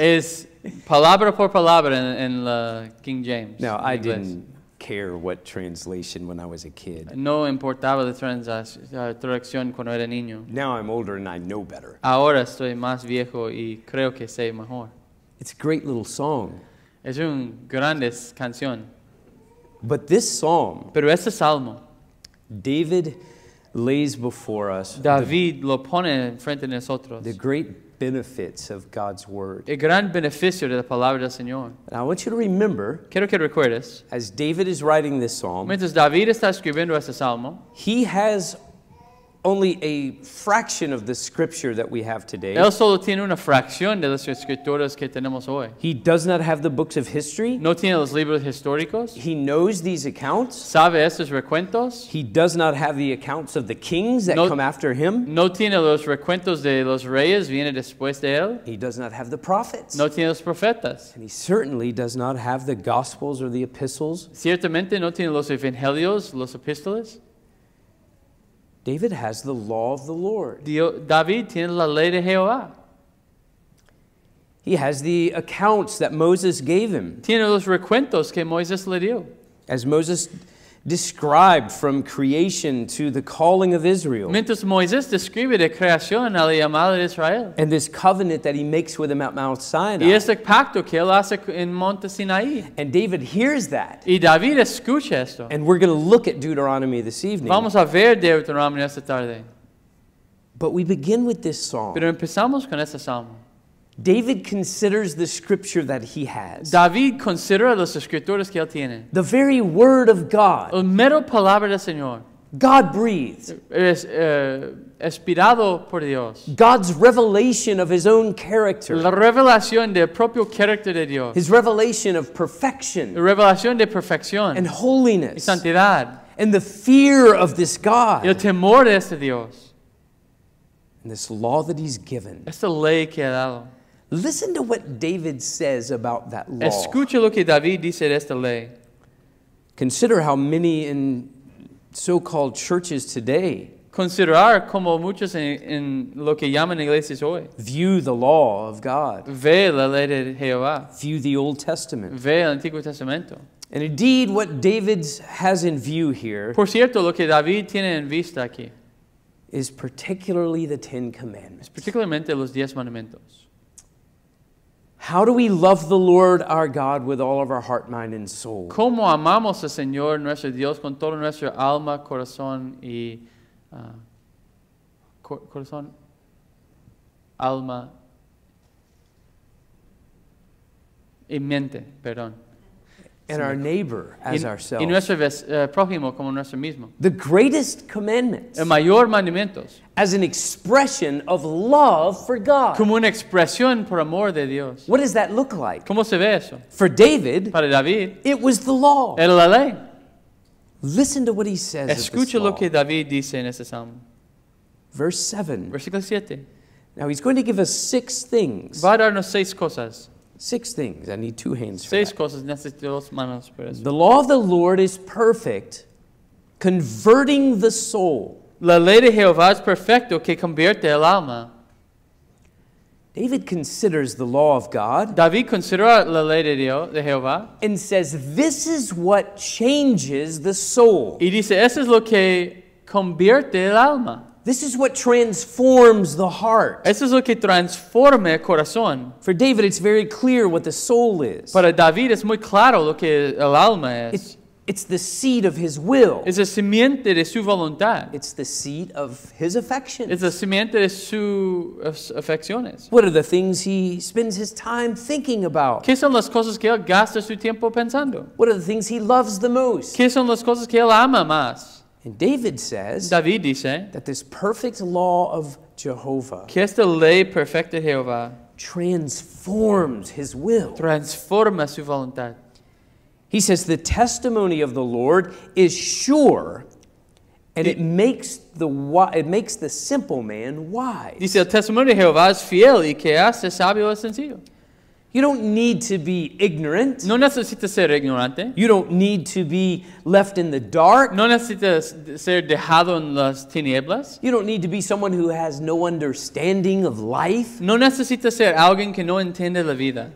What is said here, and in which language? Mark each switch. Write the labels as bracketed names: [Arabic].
[Spanish] Es palabra por palabra en la King James. [English] No, I didn't care what translation when I was a kid. [Spanish] No importaba la traducción cuando era niño. [English] Now I'm older and I know better. [Spanish] Ahora estoy más viejo y creo que sé mejor. [English] It's a great little song. [Spanish] Es un grandes canción. [English] But this psalm. [Spanish] Pero este salmo. [English] David lays before us [Spanish] David lo pone frente a nosotros. [English] The great benefits of God's word. [Spanish] El gran beneficio de la palabra del Señor. [English] And I want you to remember, [Spanish] quiero que recuerdes, [English] as David is writing this psalm, [Spanish] mientras David está escribiendo este salmo, [English] he has only a fraction of the scripture that we have today. [Spanish] Él solo tiene una fracción de las escrituras que tenemos hoy. [English] He does not have the books of history. [Spanish] No tiene los libros históricos. [English] He knows these accounts. [Spanish] Sabe estos recuentos. [English] He does not have the accounts of the kings that come after him. [Spanish] No tiene los recuentos de los reyes viene después de él. [English] He does not have the prophets. [Spanish] No tiene los profetas. [English] And he certainly does not have the gospels or the epistles. [Spanish] Ciertamente no tiene los evangelios, los epístolas. [English] David has the law of the Lord. [Spanish] David tiene la ley de Jehová. [English] He has the accounts that Moses gave him. [Spanish] Tiene los recuentos que Moisés le dio. [English] As Moses described from creation to the calling of Israel. [Spanish] Mientras Moisés describe de creación a la llamada de Israel. [English] And this covenant that he makes with him at Mount Sinai. [Spanish] Y este pacto que él hace en Monte Sinaí. [English] And David hears that. [Spanish] Y David escucha esto. [English] And we're going to look at Deuteronomy this evening. [Spanish] Vamos a ver Deuteronomy esta tarde. [English] But we begin with this psalm. [Spanish] Pero empezamos con este salmo. [English] David considers the scripture that he has. [Spanish] David considera las escrituras que él tiene. [English] The very word of God. [Spanish] La mera palabra del Señor. [English] God breathed. [Spanish] Inspirado por Dios. [English] God's revelation of his own character. [Spanish] La revelación del propio carácter de Dios. [English] His revelation of perfection. [Spanish] La revelación de perfección. [English] And holiness. [Spanish] Y santidad. [English] And the fear of this God. [Spanish] Y el temor de este Dios. [English] And this law that he's given. [Spanish] Esta ley que ha dado. [English] Listen to what David says about that law. [Spanish] Escucha lo que David dice de esta ley. [English] Consider how many in so-called churches today. [Spanish] Considerar como muchos en lo que llaman iglesias hoy. [English] View the law of God. [Spanish] Ve la ley de Jehová. [English] View the Old Testament. [Spanish] Ve el Antiguo Testamento. [English] And indeed, what David has in view here. [Spanish] Por cierto, lo que David tiene en vista aquí. [English] Is particularly the Ten Commandments. [Spanish] Particularmente los diez mandamientos. [English] How do we love the Lord our God with all of our heart, mind, and soul? [Spanish] ¿Cómo amamos al Señor nuestro Dios con todo nuestro alma, corazón y corazón, alma y mente, perdón. [English] And our neighbor as ourselves. [Spanish] Y nuestro prójimo como nuestro mismo. [English] The greatest commandment. [Spanish] El mayor mandamiento. [English] As an expression of love for God. [Spanish] Como una expresión por amor de Dios. [English] What does that look like? [Spanish] ¿Cómo se ve eso? [English] For David. [Spanish] Para David. [English] It was the law. [Spanish] Era la ley. [English] Listen to what he says. [Spanish] Escucha lo que David dice en este salmo. [English] Verse [Spanish] 7. Versículo 7. [English] Now he's going to give us six things. [Spanish] Va a darnos seis cosas. [English] Six things. I need two hands for [Spanish] seis [English] that. [Spanish] Cosas. Necesito dos manos por eso. [English] The law of the Lord is perfect, converting the soul. [Spanish] La ley de Jehová es perfecto que convierte el alma. [English] David considers the law of God. [Spanish] David considera la ley de Dios, de Jehová. [English] And says, this is what changes the soul. [Spanish] Y dice, eso es lo que convierte el alma. [English] This is what transforms the heart. [Spanish] Eso es lo que transforma el corazón. [English] For David, it's very clear what the soul is. [Spanish] Para David, es muy claro lo que el alma es. [English] It's the seed of his will. [Spanish] Es la simiente de su voluntad. [English] It's the seed of his affections. [Spanish] Es la simiente de sus afecciones. [English] What are the things he spends his time thinking about? [Spanish] ¿Qué son las cosas que él gasta su tiempo pensando? [English] What are the things he loves the most? [Spanish] ¿Qué son las cosas que él ama más? [English] And David says [Spanish] David dice, [English] that this perfect law of Jehovah, [Spanish] que esta ley perfecta de Jehová, [English] transforms his will. [Spanish] Transforma su voluntad. [English] He says the testimony of the Lord is sure, and it makes the simple man wise. [Spanish] Dice el testimonio de Jehová es fiel y que hace sabio y sencillo. [English] You don't need to be ignorant. [Spanish] No necesitas ser ignorante. [English] You don't need to be left in the dark. [Spanish] No necesitas ser dejado en las tinieblas. [English] You don't need to be someone who has no understanding of life. [Spanish] No necesitas ser alguien que no entiende la vida.